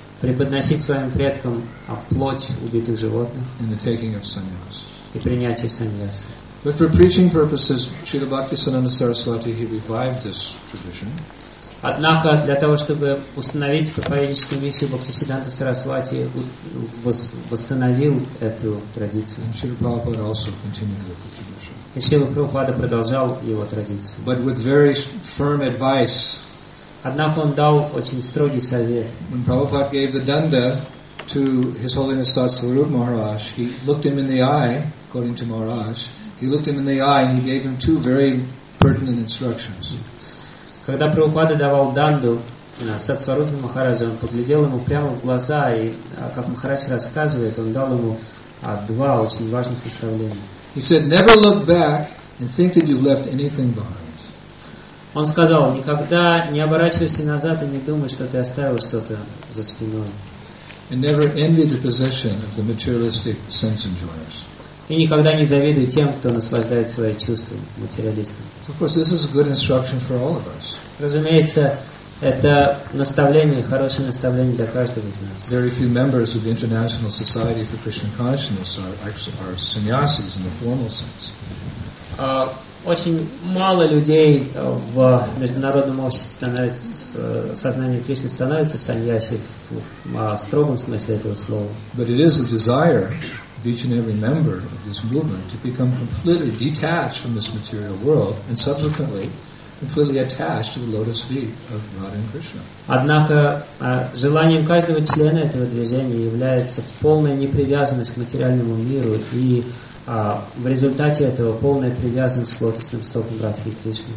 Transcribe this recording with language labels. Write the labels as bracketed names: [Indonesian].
[Russian] Преподносить своим предкам плоть убитых животных. [English] And the taking of sannyas. [Russian] И принятие саньяса. [English] But for preaching purposes, Srila Bhaktisananda Saraswati, he revived this tradition. [Russian] Однако для того, чтобы установить проповедническую миссию, Бхактисиддханта Сарасвати восстановил эту традицию. [English] And Srila Prabhupada also continued with the tradition. [Russian] И Srila Prabhupada продолжал его традицию. [English] But with very firm advice. [Russian] Однако он дал очень строгий совет. [English] When Prabhupada gave the danda to His Holiness Tat Swarup Maharaj, he looked him in the eye, according to Maharaj, he looked him in the eye and he gave him two very pertinent instructions. [Russian] Когда Прабхупада давал данду Сатсварупа Махараджа, он поглядел ему прямо в глаза, и, как Махарадж рассказывает, он дал ему два очень важных наставления. [English] He said, never look back and think that you've left anything behind. [Russian] Он сказал, никогда не оборачивайся назад и не думай, что ты оставил что-то за спиной. [English] And never envy the possession of the materialistic sense enjoyers. [Russian] И никогда не завидуй тем, кто наслаждает свои чувства материалистом. [English] Of course, this is a good instruction for all of us. [Russian] Разумеется, это наставление, хорошее наставление для каждого из нас. [English] Very few members of the International Society for Krishna Consciousness are sannyasis in the formal sense. [Russian] Очень мало людей в международном обществе сознания Кришны становятся саньяси в строгом смысле этого слова. [English] But it is a desire each and every member of this movement to become completely detached from this material world and subsequently completely attached to the lotus feet of Radha and Krishna. [Russian] Однако желанием каждого члена этого движения является полная непривязанность к материальному миру и в результате этого полная привязанность к лотосным стопам Радхи и Кришны.